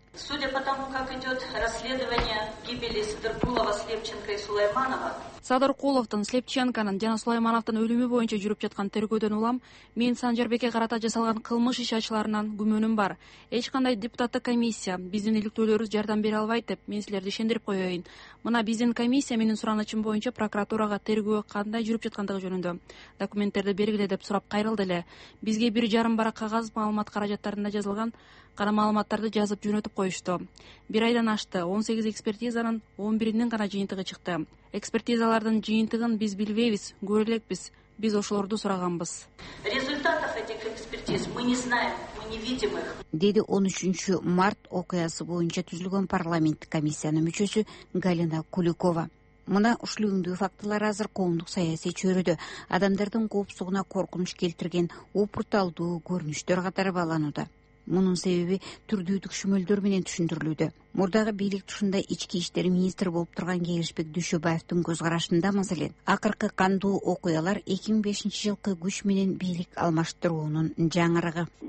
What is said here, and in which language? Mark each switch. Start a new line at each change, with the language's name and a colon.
Russian: Судя по тому, как идет расследование гибели Садыркулова, Слепченко и Сулайманова,
Kyrgyz: Садыркуловдун, Слепченконун жана Сулаймановдун өлүмү боюнча жүрүп жаткан тергөөдөн улам мен Санжарбекке карата жасалган кылмыш иши ачыларынан күмөнүм бар. Эч кандай депутаттык комиссия биздин иликтөөлөрүбүз жардам бере албайт деп мен силерди ишендирип коеюн. Мына биздин комиссия менин суранычым боюнча прокуратурага тергөө кандай жүрүп жаткандыгы жөнүндө документтерди бергиле деп сурап кайрылды эле. Бизге 1.5 кагаз маалымат каражаттарында жазылган кара маалыматтарды жазып жөнөтүп коюшту. Бир айдан ашты, 18 экспертизанын 11 гана жыйынтыгы чыкты. Экспертизалардын жыйынтыгын биз билбейбиз, көрө элекпиз. Биз ошолорду сураганбыз.
Russian: Результатов этих экспертиз мы не знаем, мы не видим их.
Kyrgyz: Деди 13 март окуясы боюнча түзүлгөн парламенттик комиссиянын мүчөсү Галина Куликова. Мына ушул үндүү фактылар азыр коомдук саясий чөйрөдө адамдардын коопсугуна коркунуч келтирген упурталдуу көрүнүштөр катары бааланууда. Мунун себеби түрдүү түшүмөлдөр менен түшүндүрүлүүдө. Мурдагы бийлик тушунда ички иштер министри болуп турган Кеңешбек Дүйшөбаевдин көз карашында маселен акыркы кандуу окуялар 2005-жылкы күч менен бийлик алмаштыруунун жаңырыгы.